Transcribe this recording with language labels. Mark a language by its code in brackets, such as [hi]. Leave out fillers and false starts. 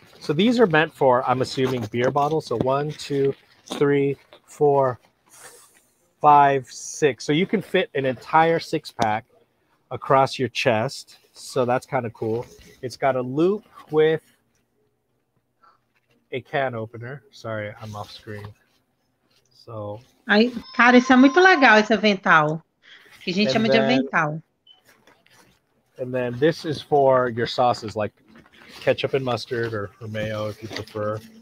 [en] So these are meant for, I'm assuming, beer bottles. So 1, 2, 3, 4, 5, 6. So you can fit an entire six pack across your chest. So that's kind of cool. It's got a loop with a can opener. Sorry, I'm off screen. So. [pt] Ai, cara, isso é muito legal, esse avental. Que a gente chama de avental. [en] And then this is for your sauces, like ketchup and mustard or mayo, if you prefer.